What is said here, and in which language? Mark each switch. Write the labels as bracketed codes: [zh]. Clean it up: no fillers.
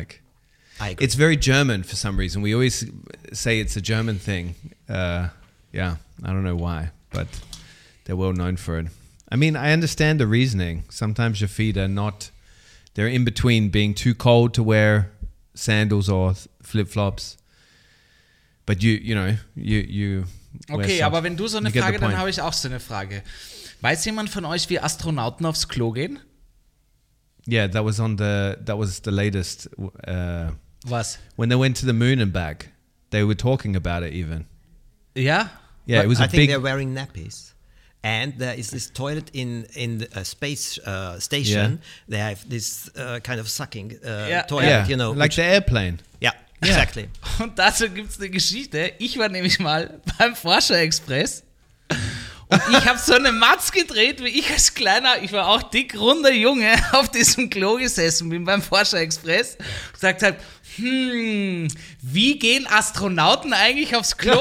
[en] Like, I agree. It's very German for some reason. We always say it's a German thing. I don't know why, but they're well known for it. I mean, I understand the reasoning. Sometimes your feet are not, they're in between being too cold to wear sandals or flip-flops. But you know, [de] okay, aber wenn du so eine Frage, dann habe ich auch so eine Frage. Weiß jemand von euch, wie Astronauten aufs Klo gehen? [en] Yeah, that was the latest. [de] Was? [en] When they went to the moon and back, they were talking about it even. Yeah? Yeah, but it was a I think big they're wearing nappies. And there is this toilet in a space station. Yeah. They have this kind of sucking toilet, you know. Like the airplane. Yeah. Yeah. Exactly. [de] Und dazu gibt es eine Geschichte. Ich war nämlich mal beim Forscher-Express Ich habe so eine Matz gedreht, wie ich als kleiner, ich war auch dick, runder Junge, auf diesem Klo gesessen bin beim Forscherexpress und gesagt habe, wie gehen Astronauten eigentlich aufs Klo?